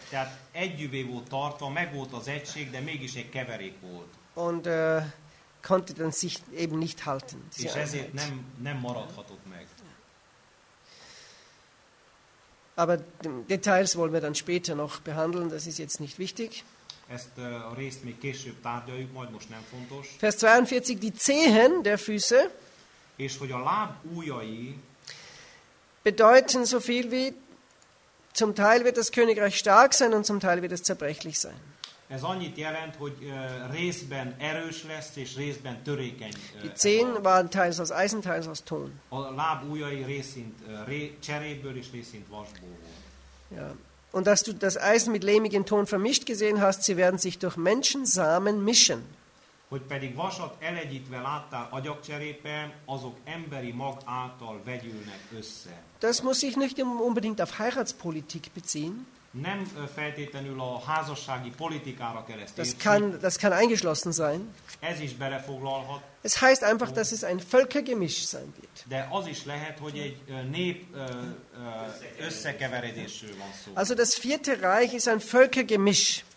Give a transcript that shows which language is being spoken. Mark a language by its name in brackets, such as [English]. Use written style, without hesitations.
[Hungarian] Tehát együvé volt tartva, meg volt az egység, de mégis egy keverék volt. [German] Und konnte dann sich eben nicht halten. [Hungarian] És ezért nem maradhatott meg. [German] Aber Details wollen wir dann später noch behandeln, das ist jetzt nicht wichtig. [Hungarian] Ezt a részt még később tárgyaljuk, majd most nem fontos. [German] Vers 42, die Zehen der Füße, [Hungarian] és hogy a láb ujjai [German] bedeuten so viel wie, zum Teil wird das Königreich stark sein, und zum Teil wird es zerbrechlich sein. [Hungarian] Ez annyit jelent, hogy részben erős lesz, és részben törékeny. [German] Die Zehen waren teils aus Eisen, teils aus Ton. [Hungarian] A láb ujjai részint cseréből, és részint vasból volt. [German] Ja. Und dass du das Eisen mit lehmigem Ton vermischt gesehen hast, sie werden sich durch Menschensamen mischen. [Hungarian] Hogy pedig vasat elegyítve láttál agyagcserépen, azok emberi mag által vegyülnek össze. [German] Das muss sich nicht unbedingt auf Heiratspolitik beziehen. [Hungarian] Nem feltétlenül a házassági politikára keresztül. [German] Das kann eingeschlossen sein. [Hungarian] Ez is belefoglalhat. [German] Es heißt einfach, dass es ein Völkergemisch sein wird. [Hungarian] De az is lehet, hogy egy nép összekeveredésről van szó. [German] Also das vierte Reich ist ein Völkergemisch.